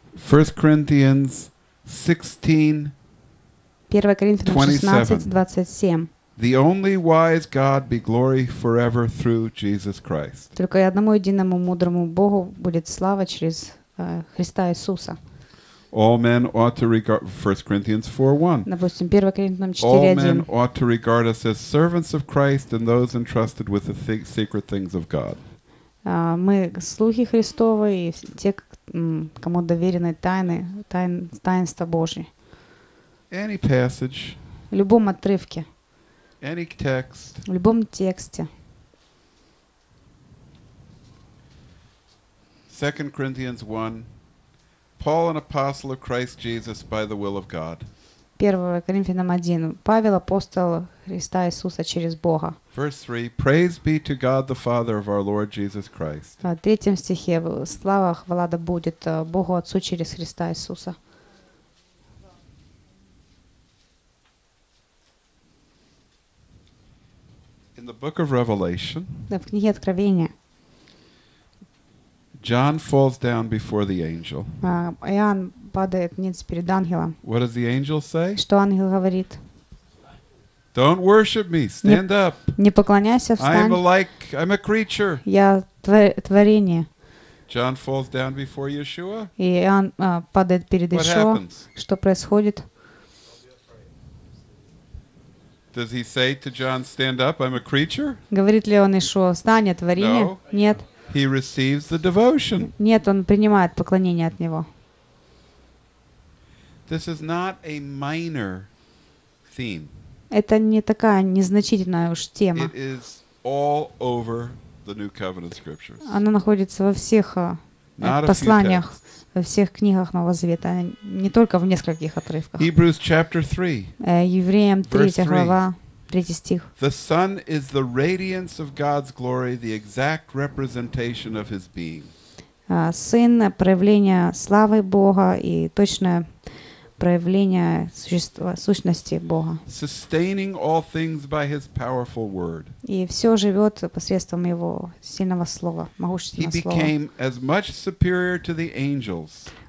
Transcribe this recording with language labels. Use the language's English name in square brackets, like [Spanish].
[English] 1 Corinthians 16:27. [Russian] 1 Коринфянам 16:27. [English] The only wise God be glory forever through Jesus Christ. [Russian] Только одному единому мудрому Богу будет слава через Христа Иисуса. [English] All men ought to regard 1 Corinthians 4:1. [Russian] Допустим, 1 Коринфянам 4:1. [English] All men ought to regard us as servants of Christ and those entrusted with the sacred things of God. [Russian] Мы слуги Христовы и те, кому доверены тайны, таинства Божьи. [English] Any passage. [Russian] В любом отрывке. [English] Any text. [Russian] В любом тексте. [English] 2 Corinthians 1. Paul, an apostle of Christ Jesus by the will of God. [Russian] 1 Коринфянам 1. Павел, апостол Христа Иисуса через Бога. [English] Verse 3. Praise be to God the Father of our Lord Jesus Christ. [Russian] В третьем стихе. Слава, хвала да будет Богу Отцу через Христа Иисуса. [English] In the book of Revelation, [Russian] в книге Откровения, [English] John falls down before the angel. [Russian] Иоанн падает ниц перед ангелом. [English] What does the angel say? [Russian] Что ангел говорит? [English] Don't worship me. Stand up. [Russian] Не поклоняйся, встань. [English] I'm a creature. [Russian] Я творение. [English] John falls down before Yeshua. [Russian] И Иоанн падает перед Иешуа. [English] What happens? [Russian] Что происходит? [English] Does he say to John, "Stand up, I'm a creature"? [Russian] Говорит ли он Иешуа, встань, творение? [English] No. [Russian] Нет. [English] He receives the devotion. [Russian] Нет, он принимает поклонение от него. [English] This is not a minor theme. [Russian] Это не такая незначительная уж тема. [English] It is all over the New Covenant Scriptures. [Russian] Она находится во всех посланиях, во всех книгах Нового Завета, не только в нескольких отрывках. [English] Hebrews chapter 3. [Russian] Евреям 3 глава. Третий стих. [English] The Son is the radiance of God's glory, the exact representation of His being. [Russian] Сын — проявление славы Бога и точное проявление сущности Бога. [English] Sustaining all things by His powerful word. [Russian] И все живет посредством Его сильного слова, могущественного слова. [English] He became as much superior to the angels.